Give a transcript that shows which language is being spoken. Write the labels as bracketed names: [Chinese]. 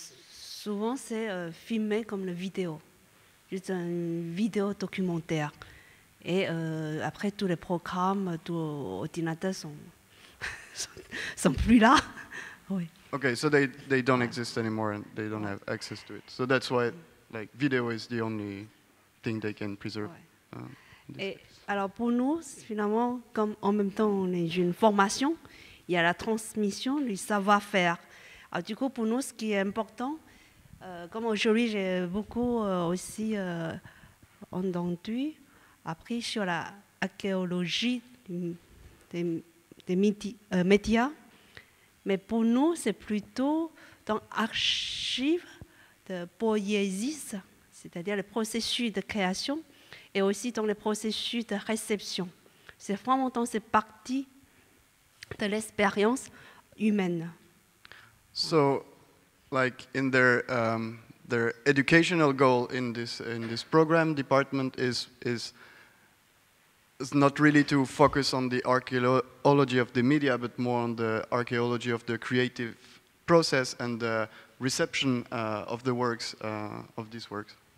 [French] Souvent c'est filmé comme le vidéo, juste une vidéo documentaire. Et après tous les programmes, tous les ordinateurs sont plus là. Oui. [English] Okay, so they don't exist anymore and they don't have access to it. So that's why like video is the only thing they can preserve. [French] Et alors pour nous, finalement, comme en même temps on est une formation, il y a la transmission du savoir-faire. Alors du coup, pour nous, ce qui est important, comme aujourd'hui j'ai beaucoup aussi entendu, appris sur la archéologie des médias. Mais pour nous, c'est plutôt dans l'archive de poiesis, c'est-à-dire le processus de création, et aussi dans le processus de réception. C'est vraiment dans cette partie de l'expérience humaine. [English] So, like in their educational goal in this program department is not really to focus on the archaeology of the media, but more on the archaeology of the creative process and the reception of the works, of these works.